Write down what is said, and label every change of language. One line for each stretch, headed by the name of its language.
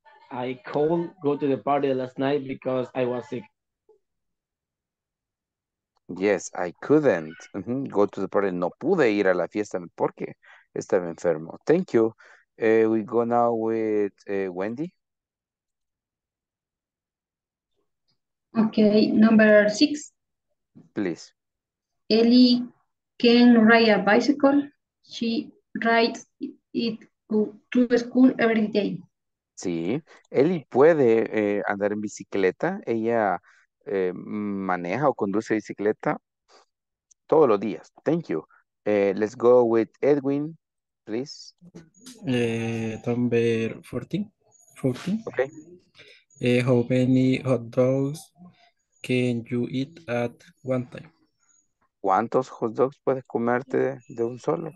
English: I couldn't go to the party last night because I was sick. Yes, I couldn't. Mm-hmm. Go to the party.
Spanish: No pude ir a la fiesta porque estaba enfermo.
English: Thank you. We go now with Wendy. Okay, number 6. Please. Ellie can ride a bicycle. She rides it to school every day.
Spanish: Sí, Ellie puede andar en bicicleta. Ella maneja o conduce bicicleta todos los días.
English: Thank you. Let's go with Edwin, please. Number 14. Okay. How many hot dogs can you eat at one time?
Spanish: ¿Cuántos hot dogs puedes comerte de un solo?